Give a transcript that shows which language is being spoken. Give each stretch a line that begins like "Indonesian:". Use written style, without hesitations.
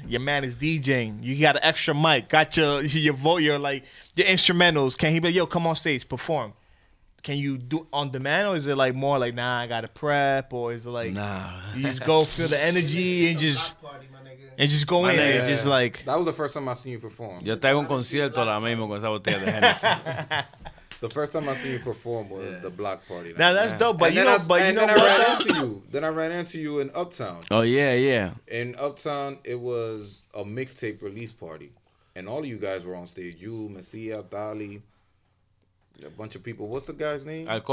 English: Your man is DJing. You got an extra mic. Got your instrumentals. Can he be like, yo, come on stage, perform? Can you do on demand, or is it like more like, nah, I gotta prep, or is it like, nah, you just go feel the energy and just go in and just like. That was the first time I seen you perform.
Spanish: Yo tengo un concierto ahora mismo con esa botella de Hennessy.
English: The first time I seen you perform was the block party. Now that's dope, but then I ran into you. Then I ran into you in Uptown. Oh yeah, yeah. In Uptown, it was a mixtape release party, and all of you guys were on stage. You, Messiah, Dali. A bunch of people. What's the guy's name?